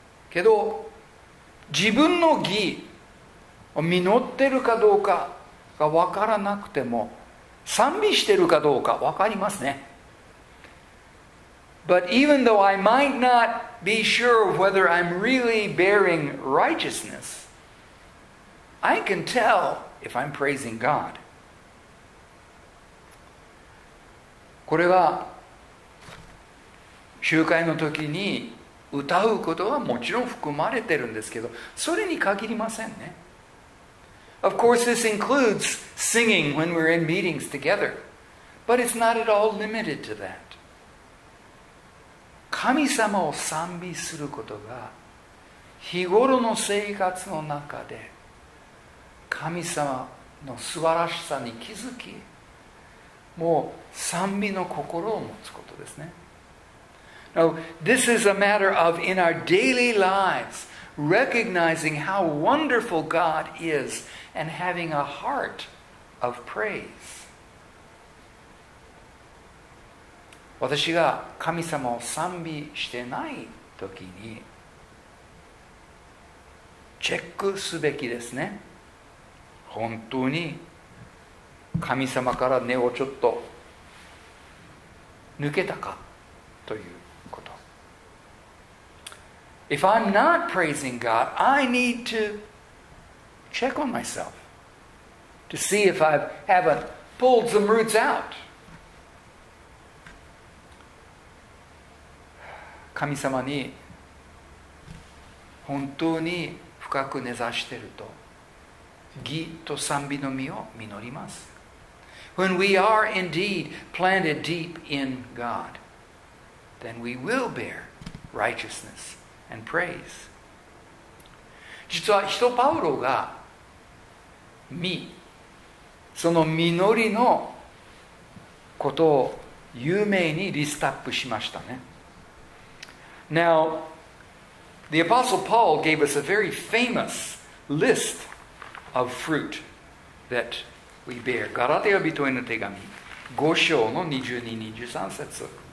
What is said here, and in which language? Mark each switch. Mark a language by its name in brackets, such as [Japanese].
[Japanese] けど、自分の義を実ってるかどうかが分からなくても賛美してるかどうか分かりますね。 [English] But even though I might not be sure of whether I'm really bearing righteousness, I can tell if I'm praising God. [Japanese] これは集会の時に歌うことはもちろん含まれてるんですけど、それに限りませんね。 [English] Of course, this includes singing when we're in meetings together. But it's not at all limited to that. [Japanese] 神様を賛美することが日頃の生活の中で神様の素晴らしさに気づき、もう賛美の心を持つことですね。 [English] Now, this is a matter of in our daily lives,recognizing how wonderful God is and having a heart of praise. [Japanese] 私が神様を賛美してない時にチェックすべきですね。本当に神様から根をちょっと抜けたかという。 [English] If I'm not praising God, I need to check on myself to see if I haven't pulled some roots out. [Japanese] 神様に本当に深く根ざしてると、義と賛美の実を実ります。 [English] When we are indeed planted deep in God, then we will bear righteousness. And praise. [Japanese] 実は人パウロが実、その実りのことを有名にリストアップしましたね。 [English] Now, the Apostle Paul gave us a very famous list of fruit that we bear. [Japanese] ガラテヤ人への手紙、5章の22、23節。